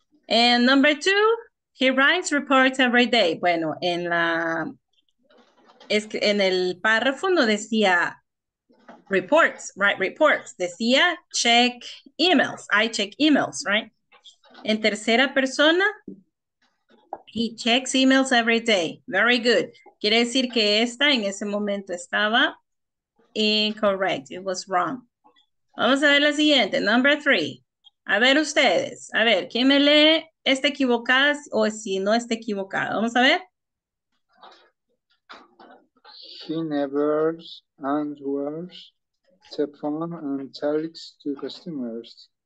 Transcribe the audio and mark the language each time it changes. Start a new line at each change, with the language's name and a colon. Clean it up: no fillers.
English: And number two, he writes reports every day.
Spanish: Bueno, en la es que en el párrafo no decía reports, right?
English: Reports. Decía check emails. I check emails, right?
Spanish: En tercera persona,
English: he checks emails every day. Very good.
Spanish: Quiere decir que esta en ese momento estaba incorrect.
English: It was wrong.
Spanish: Vamos a ver la siguiente.
English: Number three.
Spanish: A ver ustedes. A ver, ¿quién me lee esta equivocada o si no está equivocada? Vamos a ver.
English: She never answers the phone and talks to customers.